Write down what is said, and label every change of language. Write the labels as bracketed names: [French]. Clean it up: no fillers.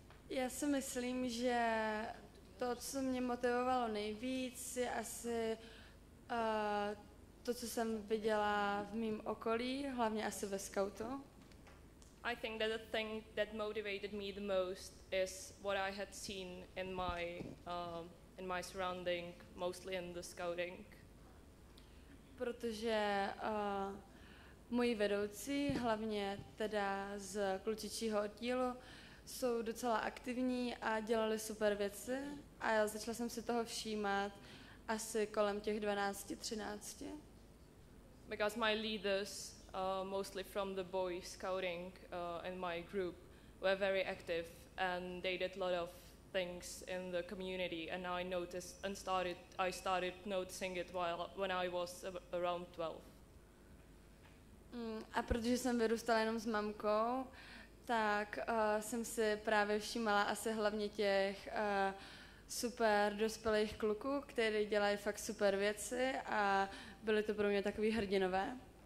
[Czech] Já si myslím, že to, co mě motivovalo nejvíc, je asi to, co jsem viděla v mém okolí, hlavně asi ve skautu. [English] I think that the thing that motivated me the most is what I had seen in my surrounding, mostly in the scouting. [Czech] Protože moji vedoucí, hlavně teda z klučičího oddílu, jsou docela aktivní a dělali super věci a já začala jsem si toho všímat asi kolem těch 12-13. [English] Because my leaders, mostly from the boy scouting and my group, were very active and they did a lot of things in the community and I started noticing it when I was around 12. [Czech] A protože jsem vyrůstala jenom s mamkou, tak jsem si právě všímala asi hlavně těch super dospělých kluků, kteří dělají fakt super věci a byly to pro mě takový hrdinové.